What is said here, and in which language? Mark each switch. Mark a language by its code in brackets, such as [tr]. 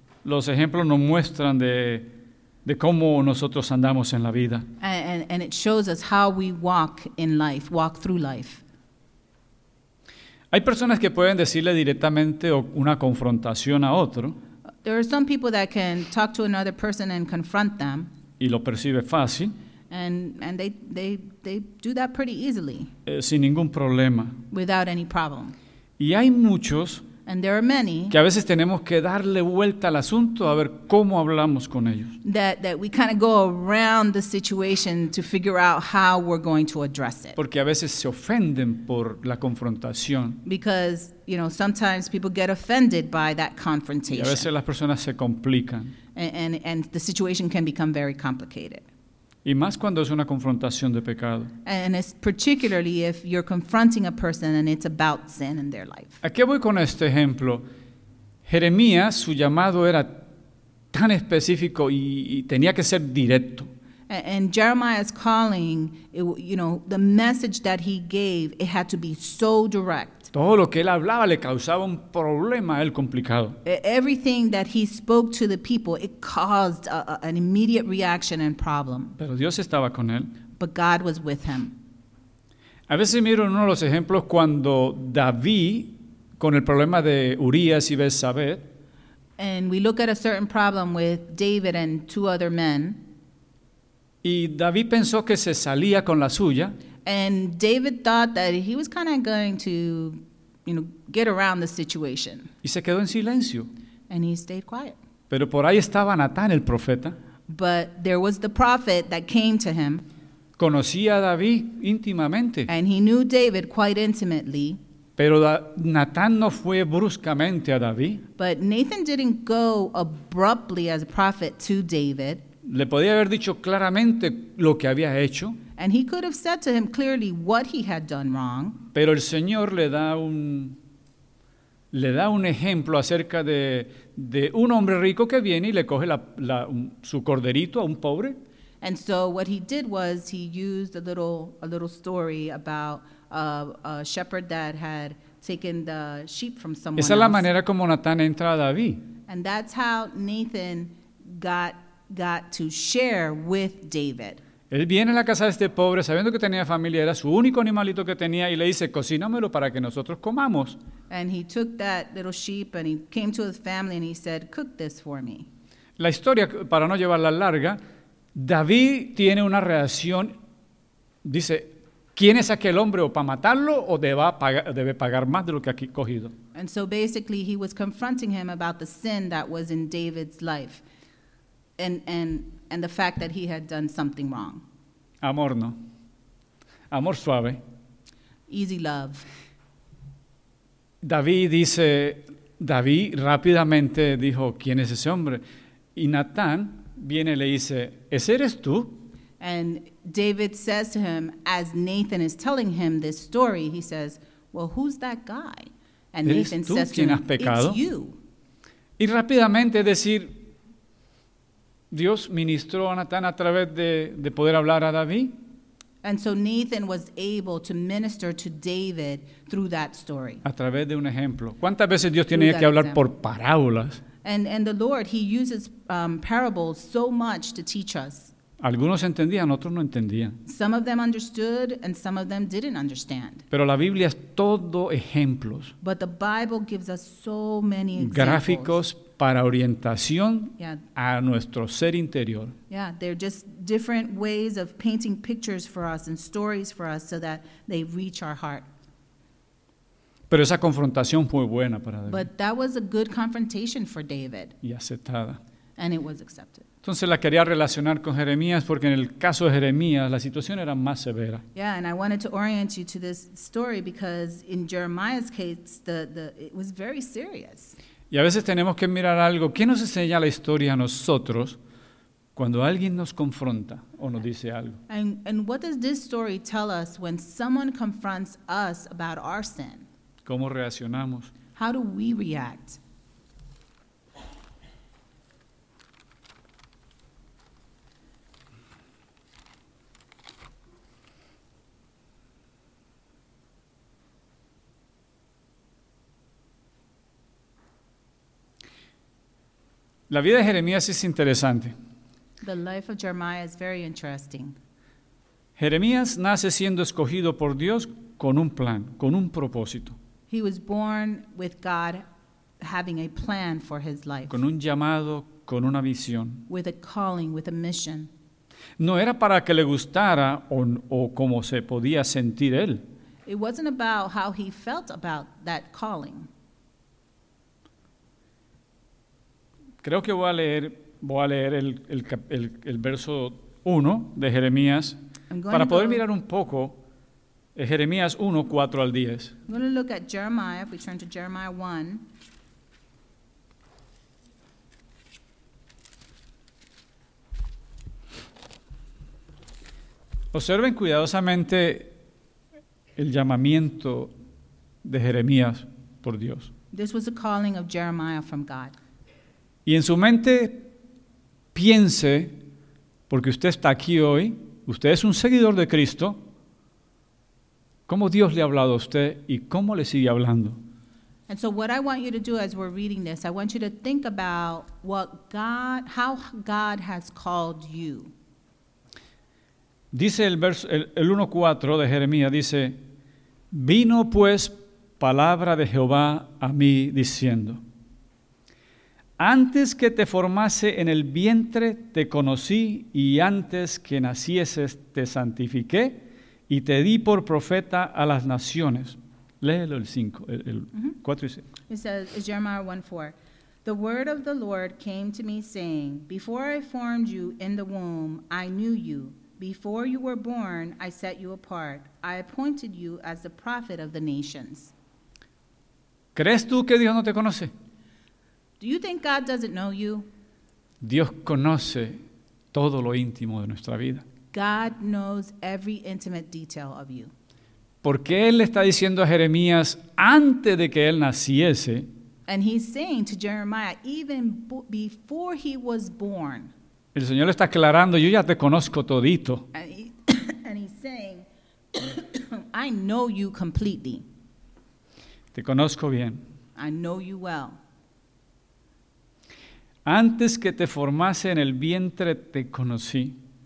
[es] Los ejemplos nos muestran de cómo nosotros andamos en la vida. [en] And it shows us how we walk in life, walk through life. [es] Hay personas que pueden decirle directamente una confrontación a otro. [en] There are some people that can talk to another person and confront them. [es] Y lo percibe fácil. [en] And they do that pretty easily. [es] Sin ningún problema. [en] Without any problem. [es] Y hay muchos. [en] And there are many. [es] Que a veces tenemos que darle vuelta al asunto a ver cómo hablamos con ellos. [en] That we kind of go around the situation to figure out how we're going to address it. [es] Porque a veces se ofenden por la confrontación. [en] Because, you know, sometimes people get offended by that confrontation. [es] Y a veces las personas se complican. [en] And the situation can become very complicated. [es] Y más cuando es una confrontación de pecado. [en] And it's particularly if you're confronting a person and it's about sin in their life. [es] ¿A qué voy con este ejemplo? Jeremías, su llamado era tan específico y tenía que ser directo. [en] And Jeremiah's calling, it, you know, the message that he gave, it had to be so direct. [es] Todo lo que él hablaba le causaba un problema a él complicado. [en] Everything that he spoke to the people, it caused an immediate reaction and problem. [es] Pero Dios estaba con él. [en] But God was with him. [es] A veces miro uno de los ejemplos cuando David, con el problema de Urías y Betsabé. [en] And we look at a certain problem with David and two other men. [es] Y David pensó que se salía con la suya. [en] And David thought that he was kind of going to, you know, get around the situation. [es] Y se quedó en silencio. [en] And he stayed quiet. [es] Pero por ahí estaba Natán, el profeta. [en] But there was the prophet that came to him. [es] Conocía a David íntimamente. [en] And he knew David quite intimately. [es] Pero Natán no fue bruscamente a David. [en] But Nathan didn't go abruptly as a prophet to David. [es] Le podía haber dicho claramente lo que había hecho. [en] And he could have said to him clearly what he had done wrong. [es] Pero el Señor le da un ejemplo acerca de un hombre rico que viene y le coge su corderito a un pobre. [en] And so what he did was he used a little story about a shepherd that had taken the sheep from someone [es] else. Esa es la manera como Natán entra a David. [en] And that's how Nathan got to share with David. [es] Él viene a la casa de este pobre sabiendo que tenía familia, era su único animalito que tenía, y le dice, cocínamelo para que nosotros comamos. [en] And he took that little sheep and he came to his family and he said, cook this for me. [es] La historia, para no llevarla larga, David tiene una reacción, dice, ¿quién es aquel hombre? ¿O para matarlo o debe pagar más de lo que aquí cogido? [en] And so basically he was confronting him about the sin that was in David's life. And the fact that he had done something wrong. [es] Amor no. Amor suave. [en] Easy love. [es] David rápidamente dijo, ¿quién es ese hombre? Y Natán viene y le dice, ¿ese eres tú? [en] And David says to him, as Nathan is telling him this story, he says, well, who's that guy? And Nathan says to him, it's you. [es] Y rápidamente decir, Dios ministró a Natán a través de poder hablar a David. [en] And so Nathan was able to minister to David through that story. [es] A través de un ejemplo. ¿Cuántas veces Dios tiene que hablar por parábolas? [en] And the Lord, he uses parables so much to teach us. [es] Algunos entendían, otros no entendían. [en] Some of them understood and some of them didn't understand. [es] Pero la Biblia es todo ejemplos. [en] But the Bible gives us so many examples. [es] Gráficos para orientación a nuestro ser interior. [en] Yeah, they're just different ways of painting pictures for us and stories for us so that they reach our heart. [es] Pero esa confrontación fue buena para David. [en] But that was a good confrontation for David. [es] Y aceptada. [en] And it was accepted. [es] Entonces la quería relacionar con Jeremías porque en el caso de Jeremías la situación era más severa. [en] Yeah, and I wanted to orient you to this story because in Jeremiah's case it was very serious. [es] Y a veces tenemos que mirar algo. ¿Qué nos enseña la historia a nosotros cuando alguien nos confronta o nos dice algo? [en] And what does this story tell us when someone confronts us about our sin? [es] ¿Cómo reaccionamos? [en] How do we react? [es] La vida de Jeremías es interesante. [en] The life of Jeremiah is very interesting. [es] Jeremías nace siendo escogido por Dios con un plan, con un propósito. [en] He was born with God having a plan for his life. [es] Con un llamado, con una visión. [en] With a calling, with a mission. [es] No era para que le gustara o como se podía sentir él. [en] It wasn't about how he felt about that calling. [es] Creo que voy a leer el verso 1 de Jeremías para poder mirar un poco Jeremías 1, 4 al 10. [en] I'm going to look at Jeremiah, if we turn to Jeremiah 1. [es] Observen cuidadosamente el llamamiento de Jeremías por Dios. [en] This was the calling of Jeremiah from God. [es] Y en su mente piense, porque usted está aquí hoy, usted es un seguidor de Cristo, ¿Cómo Dios le ha hablado a usted y cómo le sigue hablando? [en] And so what I want you to do as we're reading this, I want you to think about what God, how God has called you. [es] Dice el verso, el 1:4 de Jeremías, dice, vino pues palabra de Jehová a mí diciendo, antes que te formase en el vientre te conocí y antes que nacieses te santifiqué y te di por profeta a las naciones. Léelo el 5, el 4 y [en] 6. It says, it's Jeremiah 1:4. The word of the Lord came to me saying, before I formed you in the womb, I knew you. Before you were born, I set you apart. I appointed you as the prophet of the nations. [es] ¿Crees tú que Dios no te conoce? [en] Do you think God doesn't know you? [es] Dios conoce todo lo íntimo de nuestra vida. [en] God knows every intimate detail of you. [es] Porque él le está diciendo a Jeremías antes de que él naciese. [en] And he's saying to Jeremiah, even before he was born. [es] El Señor le está aclarando, yo ya te conozco todito. [en] And he's saying, I know you completely. [es] Te conozco bien. [en] I know you well. [es] Antes que te formase en el vientre, te conocí.